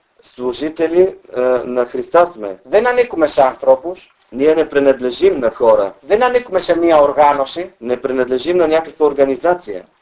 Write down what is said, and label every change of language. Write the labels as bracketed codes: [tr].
[bg] Служители на Христа сме. [el] Δεν ανήκουμε σε ανθρώπους. [bg] Ние не принадлежим на хора. [el] Δεν ανήκουμε σε μια οργάνωση. [bg] Не принадлежим на някаква организация.